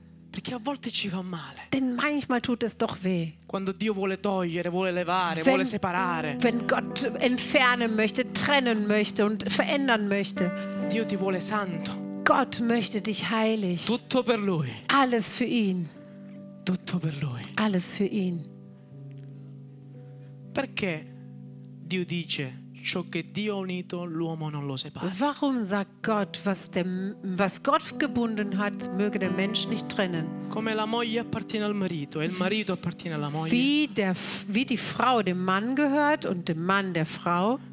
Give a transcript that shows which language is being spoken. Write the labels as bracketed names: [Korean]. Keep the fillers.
[Italian] Perché a volte ci fa male. [German] Denn manchmal tut es doch weh. [Italian] Quando Dio vuole togliere, vuole levare, [German] wenn, [Italian] vuole separare. [German] Wenn Gott entfernen möchte, trennen möchte und verändern möchte. [Italian] Dio ti vuole santo. [German] Gott möchte dich heilig. [Italian] Tutto per lui. [German] Alles für ihn. [Italian] Tutto per lui. Alles für ihn. Perché Dio dice Dio unito, l'uomo non lo separa. [German] Warum sagt Gott, was, der, was, Gott gebunden hat, möge der Mensch nicht trennen? [Italian] Marito, marito [German] wie, der, wie die Frau dem Mann gehört und dem Mann der Frau.